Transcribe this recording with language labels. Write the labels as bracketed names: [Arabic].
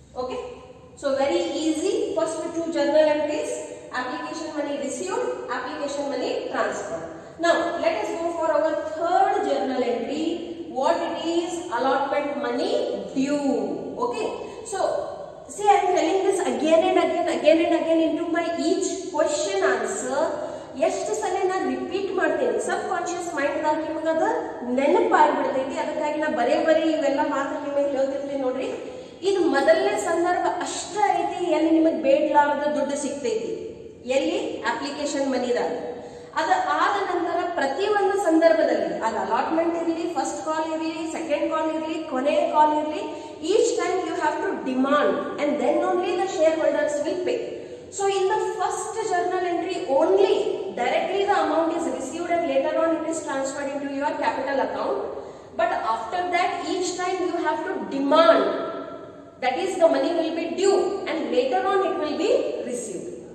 [English] Okay, so very easy. First two journal entries, application money received, application money transferred. Now let us go for our third journal entry. What it is? Allotment money due. Okay, so see, I am telling this again and again, again and again into my each question answer. [Kannada] ಎಷ್ಟು ಸಲ ನಾನು repeat ಮಾಡ್ತೇನೆ ಸಬ್ conscious mind ದಾಗ ನಿಮಗ ಅದ ನೆನಪಾಗ್ಬಿಡ್ತೈತಿ. ಅದಕ್ಕಾಗಿ ನಾ ಬರೇ ಬರೀ ಇವೆಲ್ಲ ಮಾತ್ರ ನಿಮಗೆ ಹೇಳ್ತಿರ್ತೀನಿ ನೋಡ್ರಿ. ಇದು ಮೊದಲನೇ ಸಂದರ್ಭ ಅಷ್ಟ ಐತಿ ಎಲ್ಲಿ ನಿಮಗ್ ಬೇಡ್ಲಾರ್ದ ದುಡ್ಡು ಸಿಗ್ತೈತಿ, ಎಲ್ಲಿ ಅಪ್ಲಿಕೇಶನ್ ಮನಿದಾಗ. ಅದ ಆದ ನಂತರ ಪ್ರತಿ ಒಂದು ಸಂದರ್ಭದಲ್ಲಿ ಅದ ಅಲಾಟ್ಮೆಂಟ್ ಇರ್ಲಿ, ಫಸ್ಟ್ ಕಾಲ್ ಇರ್ಲಿ, ಸೆಕೆಂಡ್ ಕಾಲ್ ಇರ್ಲಿ, ಕೊನೆಯ ಕಾಲ್ ಇರ್ಲಿ, [English] Each time you have to demand and then only the shareholders will pay. So in the first journal entry only directly the amount is received and later on it is transferred into your capital account. But after that each time you have to demand, that is the money will be due and later on it will be received.